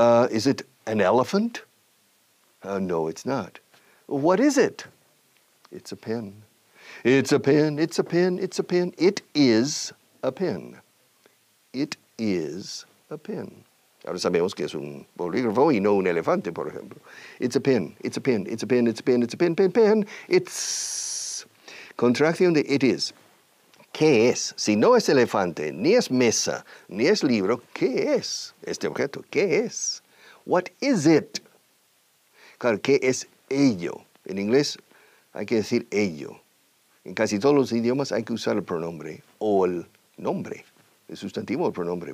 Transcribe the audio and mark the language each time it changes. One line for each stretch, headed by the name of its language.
English: Is it an elephant? No, it's not. What is it? It's a pen. It's a pen. It's a pen. It's a pen. It is a pen. It is a pen.
Spanish: Ahora sabemos que es un bolígrafo y no un elefante, por ejemplo.
English: It's a pen, it's a pen, it's a pen, it's a pen, it's a pen, pen, pen.
Spanish: It's... contracción de it is. ¿Qué es? Si no es elefante, ni es mesa, ni es libro, ¿qué es este objeto? ¿Qué es?
English: What is it?
Spanish: Claro, ¿qué es ello? En inglés hay que decir ello. En casi todos los idiomas hay que usar el pronombre o el nombre, el sustantivo o el pronombre.